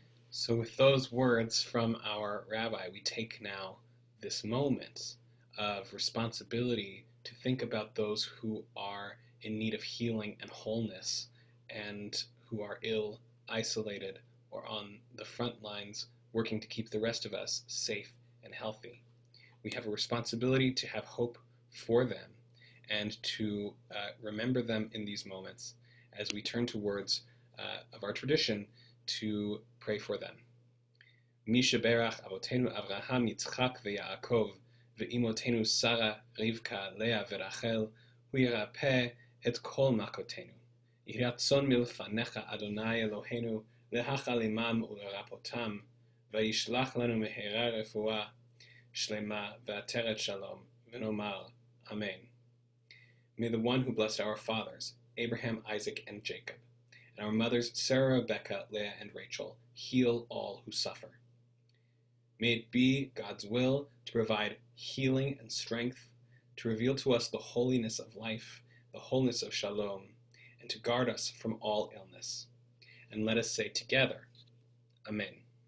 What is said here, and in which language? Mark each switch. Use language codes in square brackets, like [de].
[en] So with those words from our rabbi, we take now this moment of responsibility to think about those who are in need of healing and wholeness and who are ill, isolated, or on the front lines working to keep the rest of us safe and healthy. We have a responsibility to have hope for them and to remember them in these moments as we turn to words of our tradition to pray for them. [he] Mi sheberach avotenu Avraham, Yitzchak ve'Yaakov, ואימותינו שרה, רבקה, לאה ורחל, הוא ירפא את כל מכותינו. יהי רצון מלפניך, אדוני אלוהינו, להחל עמם ולרפאותם, וישלח לנו מהרה רפואה שלמה ועטרת שלום, ונאמר אמן. [en] May the one who blessed our fathers, Abraham, Isaac, and Jacob, and our mothers, Sarah, Rebecca, Leah, and Rachel, heal all who suffer. May it be God's will to provide healing and strength, to reveal to us the holiness of life, the wholeness of shalom, and to guard us from all illness. And let us say together, Amen.